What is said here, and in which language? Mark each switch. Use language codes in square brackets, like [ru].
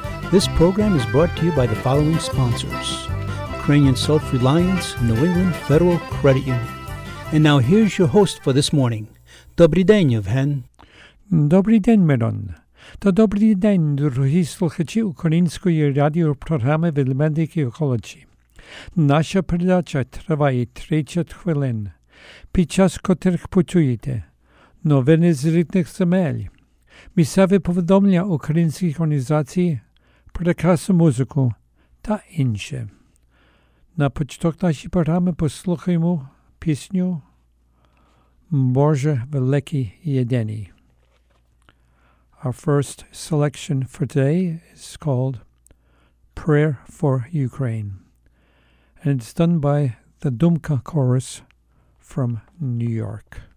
[en] This program is brought to you by the following sponsors: Ukrainian Self-Reliance, New England Federal Credit Union. And now here's your host for this morning. [uk] Добрий день, Євген. Добрий день, Мирон. Та добрий день, дорогі слухачі української радіопрограми «Велимедики околочі». Наша передача триває 30 хвилин, під час котрих почуєте новини з рідних земель, місцеві повідомлення українських організацій, прекрасну музику та інше. На початок нашої програми послухаємо пісню «Боже великий єдиний». [en] Our first selection for today is called Prayer for Ukraine, and it's done by the Dumka Chorus from New York.